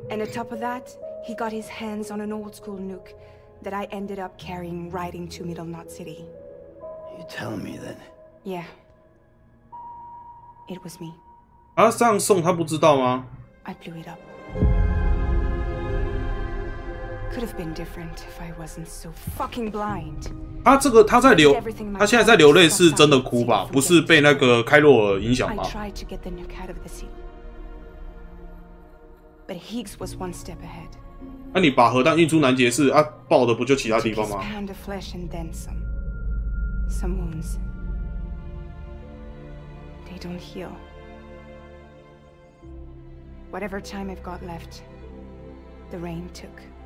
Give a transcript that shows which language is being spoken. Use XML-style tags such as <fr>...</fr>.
<en>And on top of that, he got his hands on an old-school nuke that I ended up carrying right into Middle Knot City. You tell me then. Yeah. It was me.</en> <zh>啊，这样送他不知道吗？</zh> <en>I blew it up. Could have been different if I wasn't so fucking blind.</en> <zh>他现在在流泪是真的哭吧？不是被那个凯洛尔影响吗？</zh> <en>I tried to get the nuke out of the city, but Higgs was one step ahead.</en> <zh>那你把核弹运出拦截室啊，爆的不就其他地方吗？</zh> <en>Took his pound of flesh and then some. Some wounds. They don't heal. Whatever time I've got left, the rain took.</en>